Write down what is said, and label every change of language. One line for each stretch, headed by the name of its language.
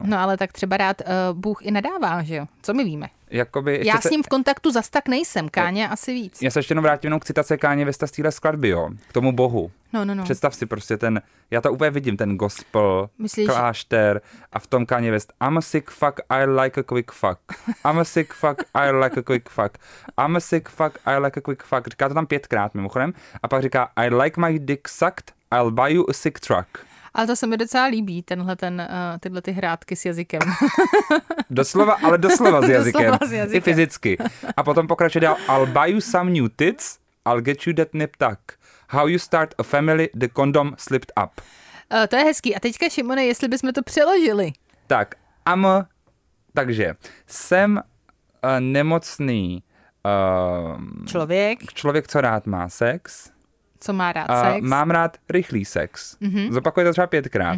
Czech: No ale tak třeba rád Bůh i nadává, že jo? Co my víme? Jakoby já s ním v kontaktu zas tak nejsem, Káně to, asi víc. Já se ještě jenom vrátím k citace Káně Vesta z téhle skladby, jo? K tomu Bohu. No, no, no. Představ si prostě ten, já to úplně vidím, ten gospel, myslíš, klášter a v tom Káně Vest.
English: I'm a sick fuck, I like a quick fuck. I'm a sick fuck, I like a quick fuck. I'm a sick fuck, I like a quick fuck.
Czech: Říká to tam 5krát mimochodem. A pak říká,
English: I like my dick sucked, I'll buy you a sick truck.
Czech: Ale to se mi docela líbí, tyhle ty hrátky s jazykem. Doslova, ale doslova s jazykem. Doslova s jazykem. I fyzicky. A potom pokračuje dál,
English: I'll buy you some new tits, I'll get you that nip tuck. How you start a family, the condom slipped up.
Czech: To je hezký. A teďka, Šimone, jestli bychom to přeložili. Tak, takže jsem nemocný člověk. Člověk, co rád má sex. Co má rád sex? Mám rád rychlý sex. Mm-hmm. Zopakuje to třeba 5krát.